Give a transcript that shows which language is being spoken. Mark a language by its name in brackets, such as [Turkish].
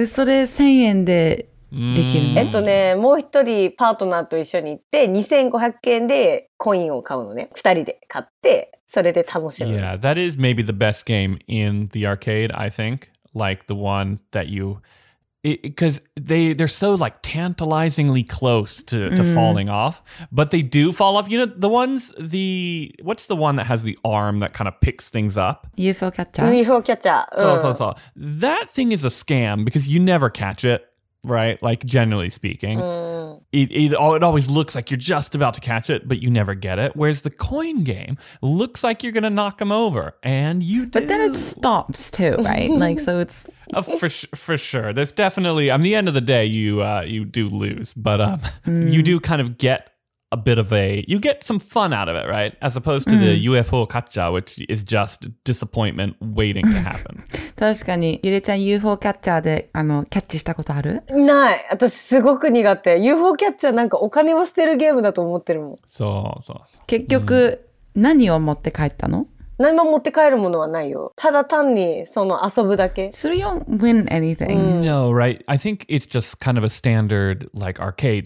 [Japanese] で、それ1000円でできる？ね、もう一人パートナーと一緒に行って、2500円でコインを買うのね。二人で買って、それで楽しむ。 [English] Yeah, that is maybe the best game in the arcade, I think. Like the one that you... Because they're so like tantalizingly close to falling off, but they do fall off. You know, the ones, what's the one that has the arm that kind of picks things up? UFO catcher. UFO catcher. So. That thing is a scam because you never catch it, right? Like generally speaking, it always looks like you're just about to catch it, but you never get it. Whereas the coin game looks like you're going to knock them over and you do. But then it stops too, right? Like, so it's... For sure. There's definitely, at the end of the day, you do lose. But you do kind of get a bit of a, you get some fun out of it, right? As opposed to the UFO catcher, which is just disappointment waiting to happen. [Japanese] 確かに。ゆりちゃん、UFO キャッチャーでキャッチしたことある？ない。私、すごく苦手。 UFO キャッチャーなんかお金を捨てるゲームだと思ってるもん。そう。結局、何を持って帰ったの？何も持って帰るものはないよ。ただ単にその遊ぶだけ。それ [English] you don't win anything. No, right. I think it's just kind of a standard like arcade.